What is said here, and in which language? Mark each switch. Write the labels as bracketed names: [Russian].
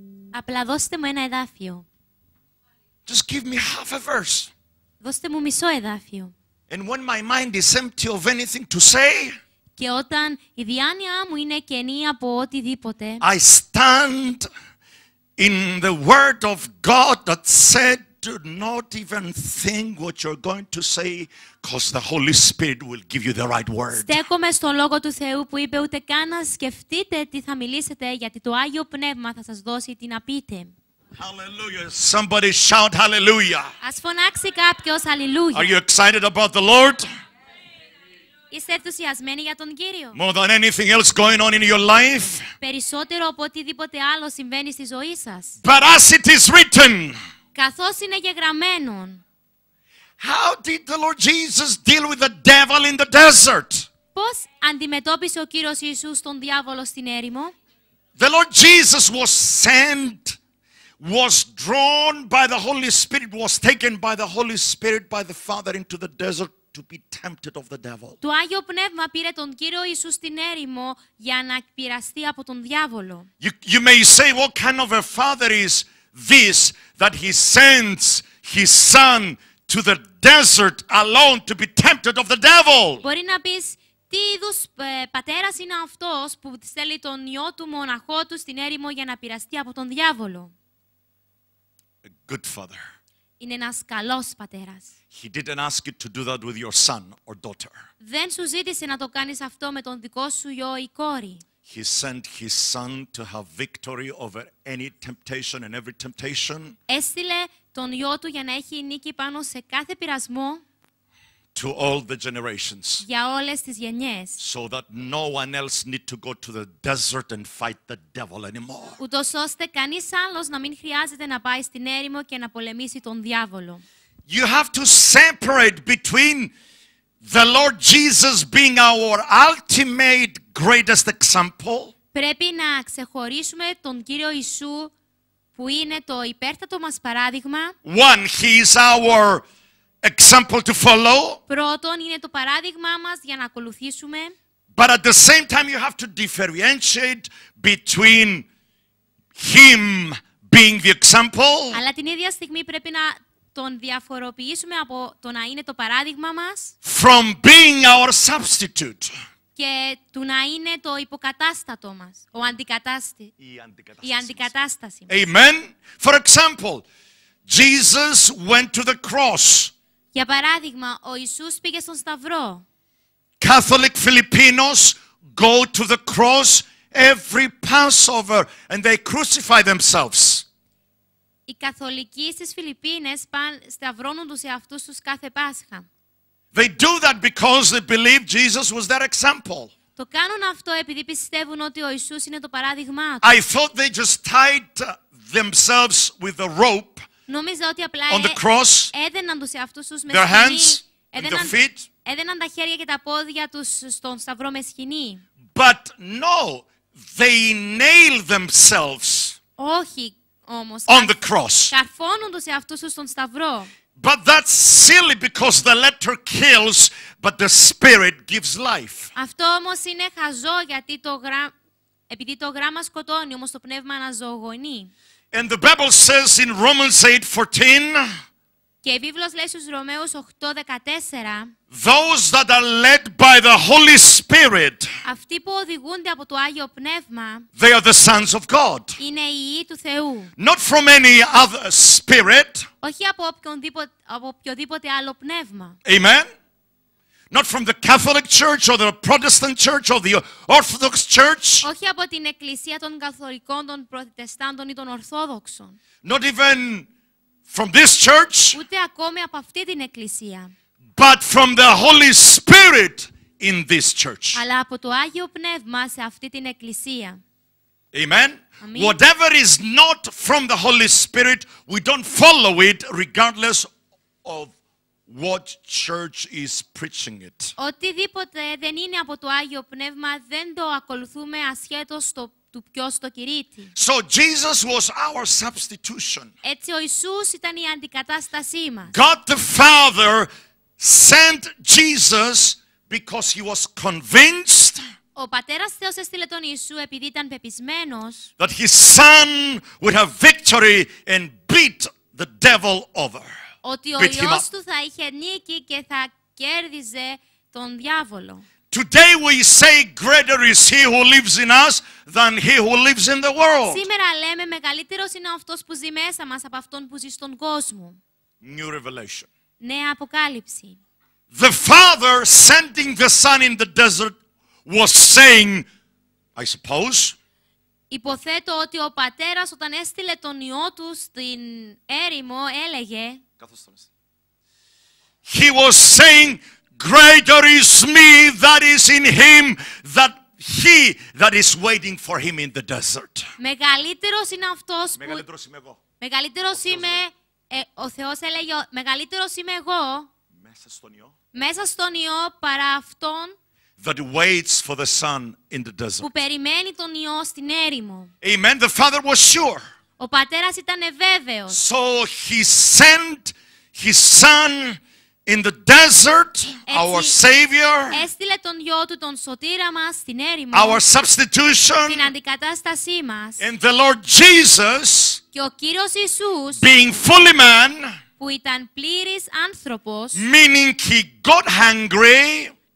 [Greek] Απλά δώστε μου ένα εδάφιο. [English] Just give me half a verse. [Greek] Δώστε μου μισό εδάφιο. [English] And when my mind is empty of anything to say, [Greek] και όταν η διάνοια μου είναι κενή από οτιδήποτε, [English] I stand in the word of God that said, do not even think what you're going to say, because the Holy Spirit will give you the right word. [Greek] Στέκομαι στο λόγο του Θεού που είπε, ούτε καν να σκεφτείτε τι θα μιλήσετε, γιατί το Άγιο Πνεύμα θα σας δώσει τι να πείτε. [English] Hallelujah! Somebody shout hallelujah! [Greek] Ας φωνάξει κάποιος hallelujah! [English] Are you excited about the Lord? [Greek] Είστε ενθουσιασμένοι για τον Κύριο; [English] More than anything else going on in your life. [Greek] Περισσότερο από οτιδήποτε άλλο συμβαίνει στη ζωή σας. [English] But as it is written. [Greek] Καθώς είναι γεγραμμένον. [English] How did the Lord Jesus deal with the devil in the desert? [Greek] Πώς αντιμετώπισε ο Κύριος Ιησούς τον διάβολο στην έρημο; [English] The Lord Jesus was sent, was drawn by the Holy Spirit, was taken by the Holy Spirit by the Father into the desert to be tempted of the devil. [Greek] Το Άγιο Πνεύμα πήρε τον Κύριο Ιησούς στην έρημο για να εκπειραστεί από τον διάβολο. [English] You may say, what kind of a father is this that he sends his son to the desert alone to be tempted of the devil? [Greek] Μπορεί να πεις, τι είδους πατέρας είναι αυτός που στέλνει τον γιο του μοναχό του στην έρημο για να πειραστεί από τον διάβολο; [English] A good father. [Greek] Είναι ένας καλός πατέρας. [English] He didn't ask you to do that with your son or daughter. [Greek] Δεν σου ζήτησε να το κάνεις αυτό με τον δικό σου γιο ή κόρη. [English] He sent his son to have victory over any temptation and every temptation. [Greek] Έστειλε τον γιο του για να έχει νίκη πάνω σε κάθε πειρασμό. [English] To all the generations. [Greek] Για όλες τις γενιές. [English] So that no one else need to go to the desert and fight the devil anymore. [Greek] Ούτως ώστε κανείς άλλος να μην χρειάζεται να πάει στην έρημο και να πολεμήσει τον διάβολο. [English] You have to separate between the Lord Jesus being our ultimate greatest example. [Greek] Πρέπει να ξεχωρίσουμε τον Κύριο Ιησού που είναι το υπέρτατο μας παράδειγμα. [English] One, he is our example to follow. [Greek] Πρώτον, είναι το παράδειγμά μας για να ακολουθήσουμε. [English] But at the same time you have to differentiate between him being the example. [Greek] Αλλά την ίδια στιγμή πρέπει να τον διαφοροποιήσουμε από το να είναι το παράδειγμα μας. [English] From being our substitute. [Greek] Και του να είναι το υποκατάστατο μας, ο αντικατάστη, η αντικατάσταση μας. [English] Amen. For example, Jesus went to the cross. [Greek] Για παράδειγμα, ο Ιησούς πήγε στον Σταυρό. [English] Catholic Filipinos go to the cross every Passover and they crucify themselves. [Greek] Οι Καθολικοί στις Φιλιππίνες σταυρώνουν τους εαυτούς τους κάθε Πάσχα. [English] They do that because they believe Jesus was their example. [Greek] Το κάνουν αυτό επειδή πιστεύουν ότι ο Ιησούς είναι το παράδειγμά τους. [English] I thought they just tied themselves with the rope. [Greek] Νόμιζα ότι απλά [English] on the cross, [Greek] έδαιναν τους εαυτούς τους με [English] their hands, and the feet. [Greek] Έδαιναν τα χέρια και τα πόδια τους στον σταυρό με σχοινή. [English] But no, they nail themselves. [Greek] Όχι όμως. [English] On the cross. [Greek] Καρφώνουν τους εαυτούς τους στον σταυρό. [English] But that's silly because the letter kills, but the spirit gives life. [Greek] Αυτό όμως είναι χαζό γιατί επειδή το γράμμα σκοτώνει, όμως το πνεύμα αναζωογονεί. [English] And the Bible says in Romans 8:14. [Greek] Και η Βίβλος λέει στους Ρωμαίους 8:14. [English] Those that are led by the Holy Spirit. [Greek] Αυτοί που οδηγούνται από το Άγιο Πνεύμα. [English] They are the sons of God. [Greek] Είναι οι γιοι του Θεού. [English] Not from any other spirit. [Greek] Όχι από οποιοδήποτε άλλο πνεύμα. [English] Amen. Not from the Catholic Church or the Protestant Church or the Orthodox Church. [Greek] Όχι από την Εκκλησία των Καθολικών, των Προτεστάντων ή των Ορθόδοξων. [English] Not even from this church. [Greek] Ούτε ακόμη από αυτή την Εκκλησία. [English] But from the Holy Spirit in this church. [Greek] Αλλά από το Άγιο Πνεύμα σε αυτή την Εκκλησία. [English] Amen. Whatever is not from the Holy Spirit, we don't follow it regardless of what church is preaching it. [Greek] Οτιδήποτε δεν είναι από το Άγιο Πνεύμα δεν το ακολουθούμε ασχέτως του ποιος το κηρύττει. [English] So Jesus was our substitution. [Greek] Έτσι ο Ιησούς ήταν η αντικατάστασή μας. [English] God the Father sent Jesus because he was convinced. [Greek] Ο Πατέρας Θεός έστειλε τον Ιησού επειδή ήταν πεπισμένος [English] that his son would have victory and beat the devil over. [Greek] Ότι ο Υιός του θα είχε νίκη και θα κέρδιζε τον διάβολο. [English] Today we say greater is he who lives in us than he who lives in the world. [Greek] Σήμερα λέμε μεγαλύτερος είναι αυτός που ζει μέσα μας από αυτόν που ζει στον κόσμο. [English] New revelation. [Greek] Νέα αποκάλυψη. [English] The Father sending the Son in the desert was saying, I suppose. [Greek] Υποθέτω ότι ο Πατέρας όταν έστειλε τον Υιό του στην έρημο έλεγε. [English] He was saying, greater is me that is in him than he that is waiting for him in the desert. [Greek] Μεγαλύτερος είναι αυτός που μεγαλύτερος είμαι εγώ. Μεγαλύτερος είμαι ο Θεός έλεγε, μεγαλύτερος είμαι εγώ μέσα στον Υιό παρά αυτόν [English] that waits for the Son in the desert. [Greek] Που περιμένει τον Υιό στην έρημο. [English] Amen. The Father was sure. [Greek] Ο Πατέρας ήταν ευέβαιος. [English] So he sent his son in the desert, [Greek] έτσι, [English] our savior. [Greek] Έστειλε τον γιο του τον σωτήρα μας στην έρημο. [English] Our substitution. [Greek] Την αντικατάστασή μας. [English] And the Lord Jesus. [Greek] Και ο Κύριος Ιησούς. [English] Being fully man. [Greek] Που ήταν πλήρης άνθρωπος. [English] Meaning he got hungry.